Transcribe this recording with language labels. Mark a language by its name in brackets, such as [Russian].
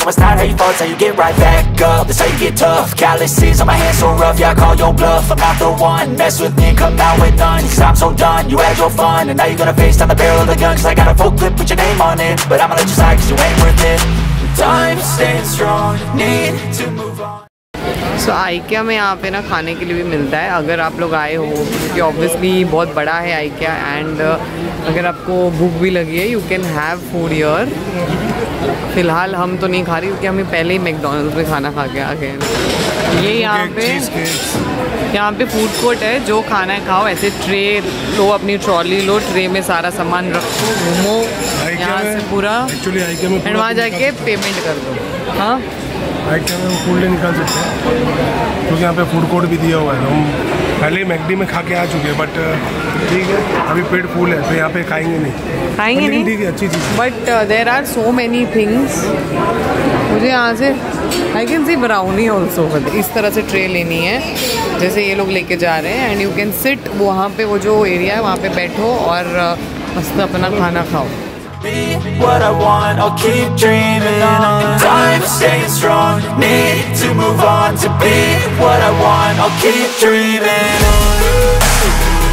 [English] No, it's not how you fall, it's how you get right back up. That's how you get tough. Calluses on my hands so rough, yeah, I call your bluff. I'm not the one, mess with me and come out with none. Cause I'm so done, you had your fun. And now you're gonna face down the barrel of the gun. Cause I got a full clip, put your name on it. But I'ma let you slide cause you ain't worth it. Time staying strong, need to move on. [Hindi] So IKEA में यहाँ पे ना खाने के लिए भी मिलता है अगर आप लोग आए हो, क्योंकि ऑब्वियसली बहुत बड़ा है आइकिया. एंड अगर आपको भूख भी लगी है, [English] You can have food here. [Hindi] फिलहाल हम तो नहीं खा रही क्योंकि हमें पहले ही मैकडॉनल्ड्स में खाना खा के आ गए. ये यहाँ पे फूड कोर्ट है, जो खाना है खाओ. ऐसे ट्रे लो, अपनी ट्रॉली लो, ट्रे में सारा सामान रखो, घूमो यहाँ से पूरा, एंड वहाँ जाके पेमेंट कर दो. हाँ, फूड निकाल सकते हैं क्योंकि यहाँ पे फूड कोर्ट भी दिया हुआ है. हम पहले ही मैकडी में खा के आ चुके हैं, बट ठीक है, अभी पेट फूल है तो यहाँ पे खाएंगे नहीं. ठीक है, अच्छी चीज़. [English] But there are so many things. [Hindi] मुझे यहाँ से [English] I can see brownie also. [Hindi] इस तरह से ट्रे लेनी है जैसे ये लोग लेके जा रहे हैं, [English] and you can sit [Hindi] वहाँ पे, वो जो एरिया है वहाँ पे बैठो और मस्त अपना खाना खाओ. [English] Be what I want, I'll keep dreaming on. Time staying strong, need to move on. To be what I want, I'll keep dreaming on.